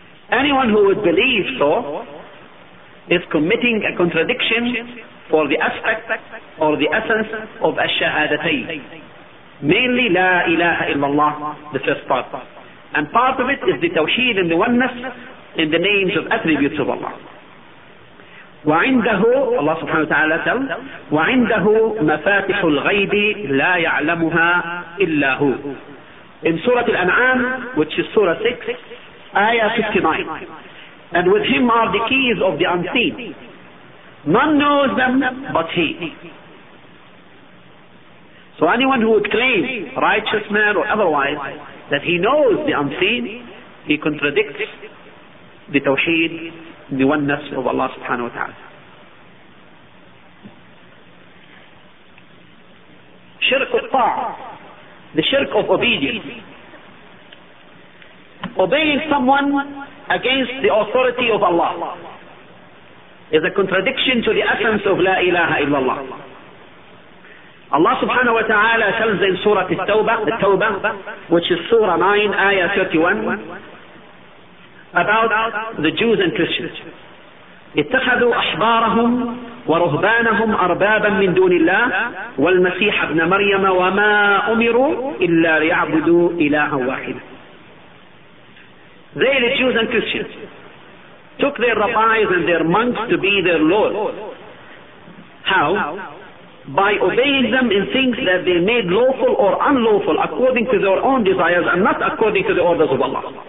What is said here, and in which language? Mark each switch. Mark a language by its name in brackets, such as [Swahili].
[English] Anyone who would believe so is committing a contradiction for the aspect or the essence of ash-shahadatayn. Mainly, la ilaha illallah, the first part. And part of it is the tawheed and the oneness in the names of attributes of Allah. [Arabic] وَعِنْدَهُ [English] Allah subhanahu wa ta'ala tells, [Arabic] وَعِنْدَهُ مَفَاتِحُ الْغَيْبِ لَا يَعْلَمُهَا إِلَّا هُ. [English] In Surah Al-An'am, which is Surah 6, Ayah 59. And with him are the keys of the unseen. None knows them but he. So anyone who would claim, righteous man or otherwise, that he knows the unseen, he contradicts the tawheed, the oneness of Allah subhanahu wa ta'ala. Shirk of ta'a, the shirk of obedience. Obeying someone against the authority of Allah is a contradiction to the essence of la ilaha illallah. Allah subhanahu wa ta'ala tells in Surah Al-Tawbah, which is Surah 9, Ayah 31, about the Jews and Christians. [Arabic] اتخذوا أحبارهم ورهبانهم أربابا من دون الله والمسيح ابن مريم وما أمروا إلا ليعبدوا إلها واحدا. [English] They, the Jews and Christians, took their rabbis and their monks to be their Lord. How? By obeying them in things that they made lawful or unlawful according to their own desires and not according to the orders of Allah.